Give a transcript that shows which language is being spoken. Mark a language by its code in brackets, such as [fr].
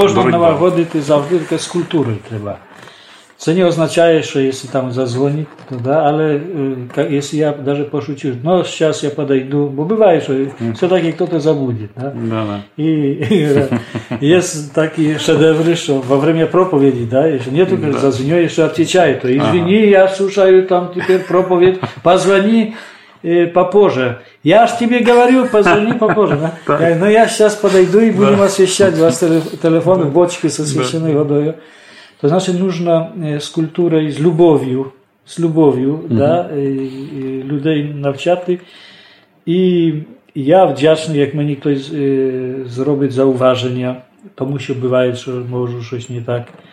[uk] Дисципліну можна налагодити завдяки з культурою треба. Це не означає, що якщо там задзвонить, то, да, але якщо я навіть пошучу, ну, зараз я подойду, бо буває, що все таки хтось забуде. Да? І є такі шедеври, що во время проповіді, да, якщо не тільки задзвонює, що відповідає, то [ru] «Извини, я слушаю там тепер проповідь, позвони». Попозже. Я ж тебе говорю, позвони попозже. Да? [uk] Ну я зараз подойду і будемо освящати вас телефон в бочці з освященою водою. [pl] To znaczy, [uk] нужно з культурою, з любов'ю, да, людей навчати. І я вдячний, як мені хтось зробить зауваження, тому що буває, що можу щось не так.